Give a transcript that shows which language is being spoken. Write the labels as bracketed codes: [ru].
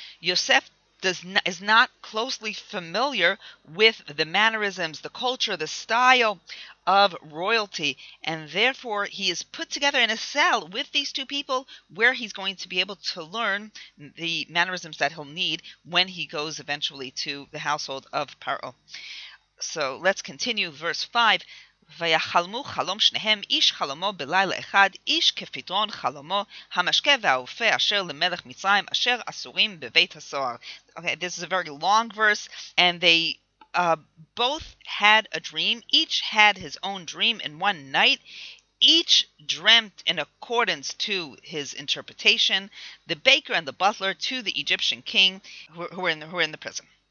[en] Yosef is not closely familiar with the mannerisms, the culture, the style of royalty, and therefore he is put together in a cell with these two people where he's going to be able to learn the mannerisms that he'll need when he goes eventually to the household of Paro. So let's continue. Verse 5. [he] ויחלמו חלום שניהם איש חלומו בלילה אחד איש כפתרון חלומו המשקה והאופה אשר למלך מצרים אשר אסורים בבית הסוהר. [en] Okay, this is a very long verse, and they both had a dream. Each had his own dream in one night. Each dreamt in accordance to his interpretation, the baker and the butler to the Egyptian king who were in the prison.